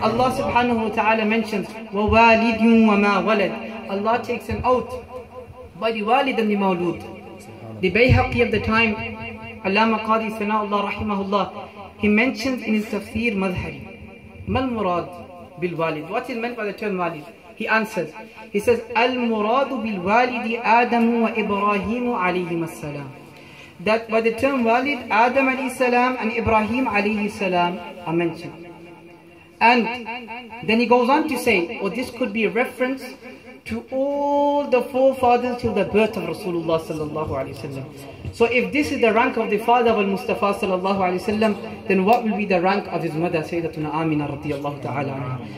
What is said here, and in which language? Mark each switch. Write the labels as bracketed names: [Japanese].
[English] Allah subhanahu wa ta'ala mentions, [Arabic] وَوَالِدٌ وَمَا وَلَدٌ. [English] Allah takes an oath by the walid and the mawlud. The Bayhaqi of the time, Allama Qadi Sana'ullah rahimahullah, he mentions in his tafsir madhari, [Arabic] مَا الْمُرَادِ بالوالد. [English] What is meant by the term walid? He answers. He says, [Arabic] المراد بالوالد آدم وإبراهيم عليهما السلام. [English] That by the term walid, Adam عليه السلام and Ibrahim عليه السلام are mentioned. And then he goes on to say, or this could be a reference to all the forefathers till the birth of Rasulullah sallallahu alayhi wa sallam. So if this is the rank of the father of al-Mustafa sallallahu alayhi wa sallam, then what will be the rank of his mother Sayyidatuna Amina radiyallahu ta'ala anha?